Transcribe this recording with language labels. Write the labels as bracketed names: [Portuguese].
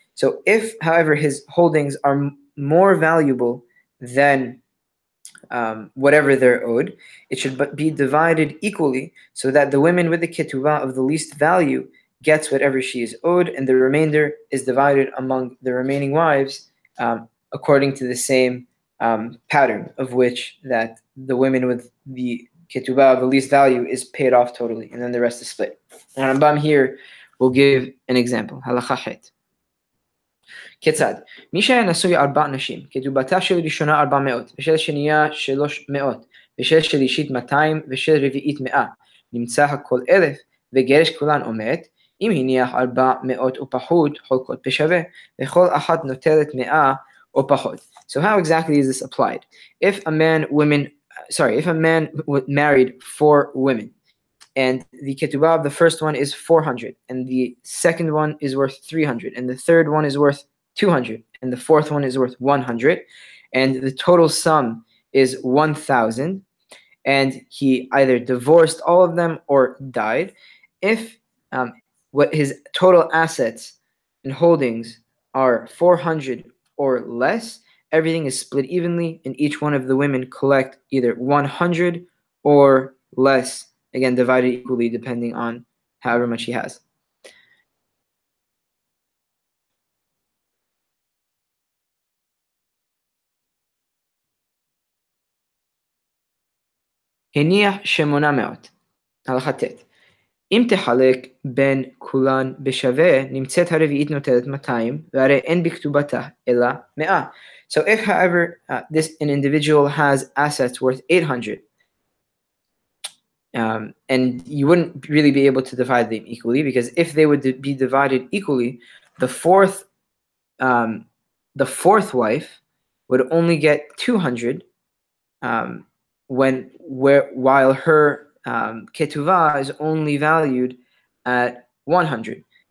[English] So if, however, his holdings are more valuable than whatever they're owed, it should be divided equally so that the women with the ketubah of the least value gets whatever she is owed, and the remainder is divided among the remaining wives according to the same pattern of which that the women with the ketubah of the least value is paid off totally, and then the rest is split. And Rambam here will give an example. Halacha het. [Hebrew] כיצד? מי שהיה נשוי ארבע נשים, כתובתה של ראשונה 400, ושל שנייה 300, ושל שלישית 200, ושל רביעית 100, נמצא הכל 1,000, וגרש כולן עומד, אם הניח 400 או פחות, חולקות בשווה, וכל אחת נוטלת 100 או פחות. [English] So how exactly is this applied? If a man married four women, and the ketubah of the first one is 400, and the second one is worth 300, and the third one is worth 200, and the fourth one is worth 100, and the total sum is 1,000, and he either divorced all of them or died, if what his total assets and holdings are 400 or less, everything is split evenly, and each one of the women collect either 100 or less, again, divided equally depending on however much he has. [Hebrew] הניח 800, הלכת תת. אם תחלק בין כולן בשווה, נמצאת הרביעית נוטלת 200, והרי אין בכתובתה אלא 100. [English] So if, however, this an individual has assets worth 800, and you wouldn't really be able to divide them equally, because if they would be divided equally, the fourth wife would only get 200, while her ketuvah is only valued at 100.